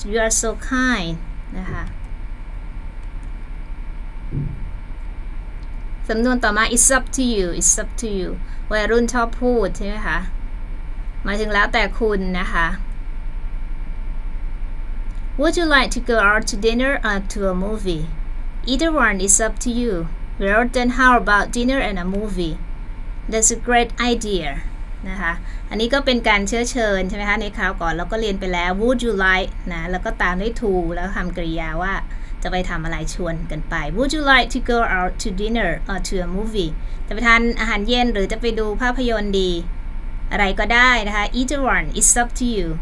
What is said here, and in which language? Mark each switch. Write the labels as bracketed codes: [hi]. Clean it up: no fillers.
[en] You are so kind. [th] นะคะสำนวนต่อมา [en] It's up to you. It's up to you. [th] วัยรุ่นชอบพูดใช่ไหมคะหมายถึงแล้วแต่คุณนะคะ [en] Would you like to go out to dinner or to a movie? Either one is up to you. Well, then how about dinner and a movie? That's a great idea. [th] นะคะอันนี้ก็เป็นการเชื้อเชิญใช่ไหมคะในคราวก่อนเราก็เรียนไปแล้ว [en] Would you like? [th] นะแล้วก็ตามด้วย to แล้วทำกริยาว่าจะไปทำอะไรชวนกันไป [en] Would you like to go out to dinner or to a movie? [th] จะไปทานอาหารเย็นหรือจะไปดูภาพยนตร์ดีอะไรก็ได้นะคะ [en] Either one, it's up to you.